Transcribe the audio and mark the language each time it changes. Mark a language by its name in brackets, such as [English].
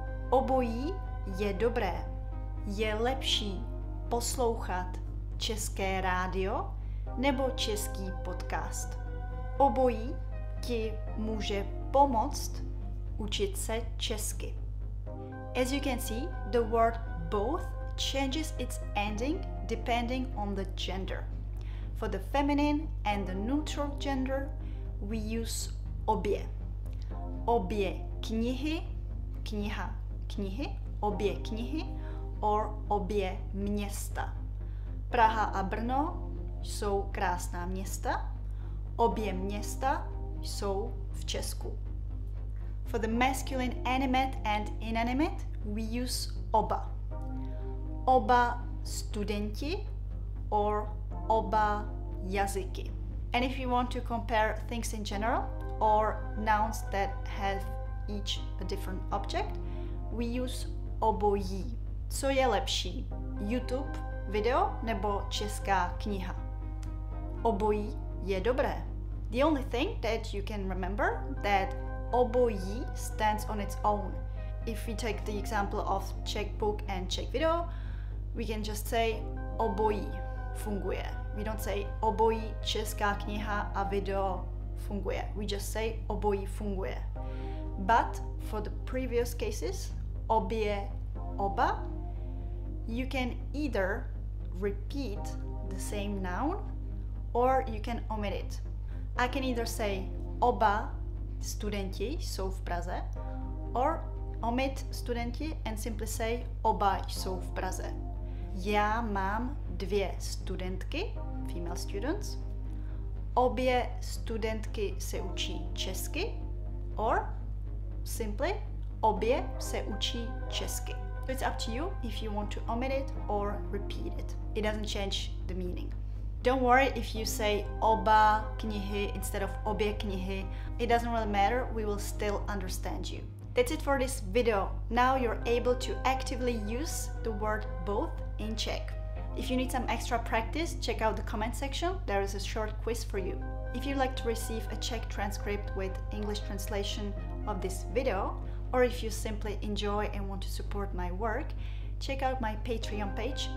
[Czech] Obojí je dobré. Je lepší poslouchat české rádio nebo český podcast. Obojí ti může pomoct učit se česky. [English] As you can see, the word both changes its ending depending on the gender. For the feminine and the neutral gender, we use obě. [Czech] Obě knihy, kniha. Knihy, obě knihy, or obě města. Praha a Brno jsou krásná města. Obě města jsou v Česku. [English] For the masculine animate and inanimate, we use oba. [Czech] Oba studenti, or oba jazyky. [English] And if you want to compare things in general, or nouns that have each a different object, we use obojí. [Czech] Co je lepší? YouTube video nebo česká kniha? Obojí je dobré. [English] The only thing that you can remember that obojí stands on its own. If we take the example of Czech book and Czech video, we can just say [Czech] obojí funguje. [English] We don't say [Czech] obojí česká kniha a video funguje. [English] We just say [Czech] obojí funguje. [English] But for the previous cases, obě, oba, you can either repeat the same noun or you can omit it. I can either say [Czech] oba studenti jsou v Praze [English] or omit studenti and simply say [Czech] oba jsou v Praze. Já mám dvě studentky, [English] female students. [Czech] Obě studentky se učí česky [English] or simply [Czech] obě se učí česky. [English] So it's up to you if you want to omit it or repeat it. It doesn't change the meaning. Don't worry if you say [Czech] oba knihy [English] instead of [Czech] obě knihy. [English] It doesn't really matter, we will still understand you. That's it for this video. Now you're able to actively use the word both in Czech. If you need some extra practice, check out the comment section. There is a short quiz for you. If you'd like to receive a Czech transcript with English translation of this video, or if you simply enjoy and want to support my work, check out my Patreon page.